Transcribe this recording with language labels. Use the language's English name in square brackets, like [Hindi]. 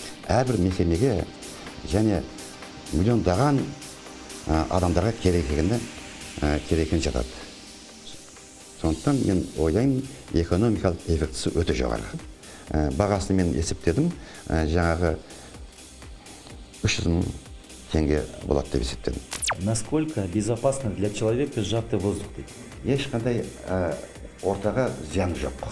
[Kazakh] Әрбір мекемеге және миллиондаған адамдарға керек екенін жатады. Сондықтан мен ойлаймын, экономикалық эффектісі өте жоғары. Бағасын мен есептедім, жаңағы 300 теңге болады деп есептедім. [Russian] Насколько безопасно для человека сжатый воздух? [Kazakh] Ешқандай ортаға зиян жоқ.